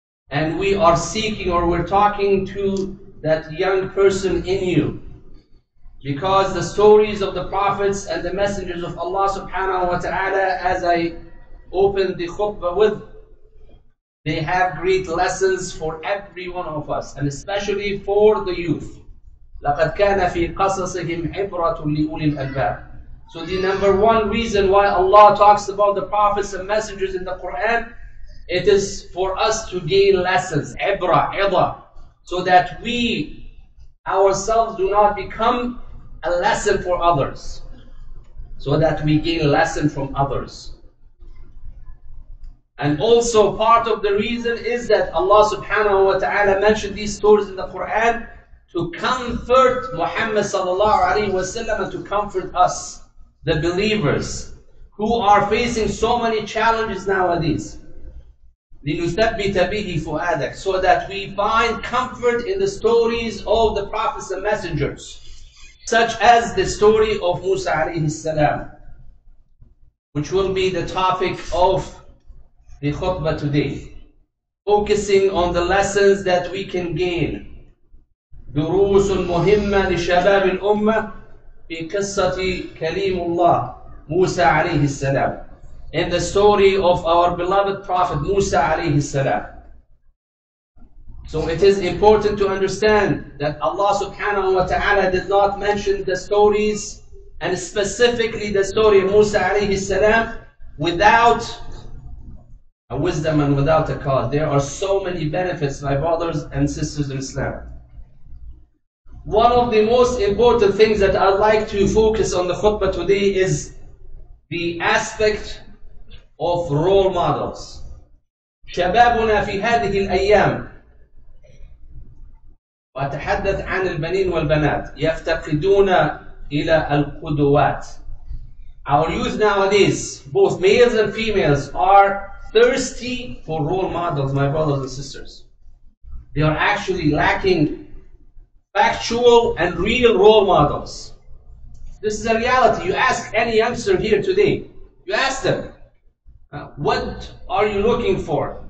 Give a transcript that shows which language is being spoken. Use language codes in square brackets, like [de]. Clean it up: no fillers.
[en] And we are seeking, or we're talking to that young person in you. Because the stories of the prophets and the messengers of Allah subhanahu wa ta'ala, as I open the khutbah with, they have great lessons for every one of us, and especially for the youth. [ar] لقد كان في قصصهم عبرة لأولي الألباب. [en] So the number one reason why Allah talks about the prophets and messengers in the Quran, it is for us to gain lessons, [ar] عبرة, عظة, [en] so that we ourselves do not become a lesson for others, so that we gain lesson from others. And also part of the reason is that Allah subhanahu wa ta'ala mentioned these stories in the Quran to comfort Muhammad sallallahu alayhi wa sallam and to comfort us, the believers, who are facing so many challenges nowadays. [ar] لِنُثَبِّتَ بِهِ فُؤَادَكَ, [en] so that we find comfort in the stories of the prophets and messengers, such as the story of Musa alayhi salam, which will be the topic of the khutbah today, focusing on the lessons that we can gain. [ar] دُرُوسٌ مُهِمَّةٌ لِشَبَابِ الْأُمَّةِ فِي قِصَّةِ كَلِيمُ اللَّهِ مُوسَى عَلَيْهِ السَّلَامِ, [en] in the story of our beloved Prophet Musa alayhi salam. So it is important to understand that Allah subhanahu wa ta'ala did not mention the stories, and specifically the story of Musa alayhi salam, without a wisdom and without a cause. There are so many benefits, my brothers and sisters in Islam. One of the most important things that I'd like to focus on the khutbah today is the aspect of role models. [ar] شبابنا في هذه الأيام وأتحدث عن البنين والبنات يفتقدون إلى القدوات. [en] Our youth nowadays, both males and females, are thirsty for role models, my brothers and sisters. They are actually lacking factual and real role models. This is a reality. You ask any youngster here today, you ask them, what are you looking for?